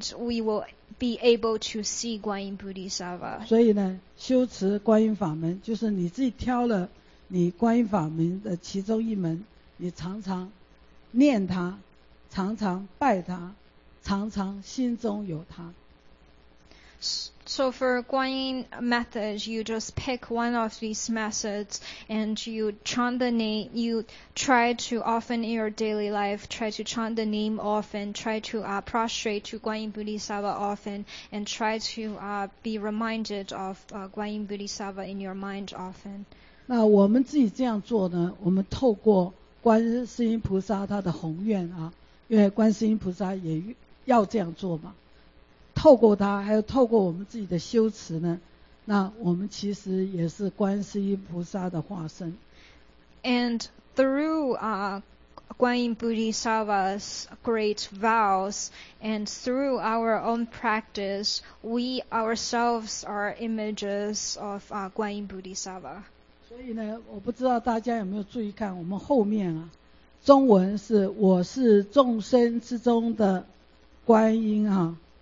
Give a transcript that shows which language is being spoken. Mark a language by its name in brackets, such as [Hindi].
[English] And we will be able to see Guanyin Bodhisattva. [Chinese] 所以呢，修持观音法门，就是你自己挑了你观音法门的其中一门，你常常念它，常常拜它，常常心中有它。 [English] So for Guanyin method, you just pick one of these methods and you chant the name, you try to often in your daily life, try to chant the name often, try to prostrate to Guanyin Bodhisattva often, and try to be reminded of Guanyin Bodhisattva in your mind often. [Chinese] 那我们自己这样做呢，我们透过观世音菩萨他的宏愿啊，因为观世音菩萨也要这样做嘛。透过他，还有透过我们自己的修持呢，那我们其实也是观世音菩萨的化身。 [English] And through Guanyin Bodhisattva's great vows and through our own practice, we ourselves are images of Guanyin Bodhisattva. [Chinese] 所以呢，我不知道大家有没有注意看我们后面啊，中文是我是众生之中的观音啊。